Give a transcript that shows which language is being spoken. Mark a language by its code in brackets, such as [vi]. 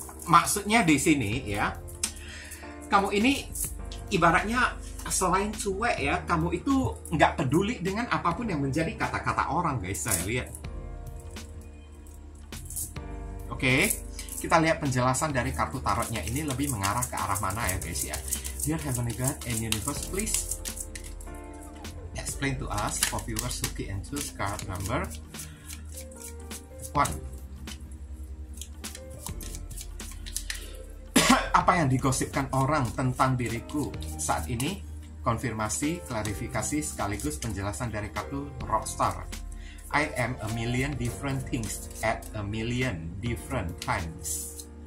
[id] Maksudnya di sini ya, kamu ini ibaratnya selain cuek ya, kamu itu nggak peduli dengan apapun yang menjadi kata-kata orang guys, saya lihat. Oke, kita lihat penjelasan dari kartu tarotnya ini lebih mengarah ke arah mana ya guys ya. [en] Dear Heavenly God and Universe, please explain to us for viewers who key and choose card number 1. [id] Apa yang digosipkan orang tentang diriku saat ini? Konfirmasi, klarifikasi, sekaligus penjelasan dari kartu Rockstar. [en] I am a million different things at a million different times.